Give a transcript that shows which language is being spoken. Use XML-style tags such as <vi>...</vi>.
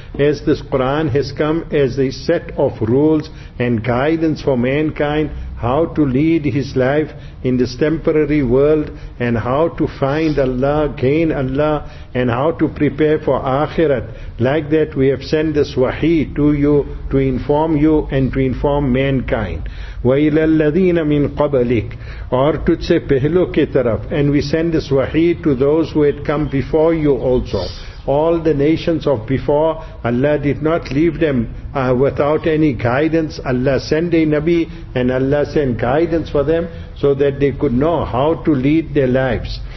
<en>As this Quran has come as a set of rules and guidance for mankind, how to lead his life in this temporary world, and how to find Allah, gain Allah, and how to prepare for Akhirat. Like that we have sent this wahi to you, to inform you and to inform mankind.</en> <ar>وَإِلَى الَّذِينَ مِنْ قَبَلِكَ</ar> <ur>اور تُجھسے پہلو کے طرف.</ur> <en>And we send this wahi to those who had come before you also. All the nations of before, Allah did not leave them without any guidance. Allah sent a Nabi and Allah sent guidance for them so that they could know how to lead their lives.</en>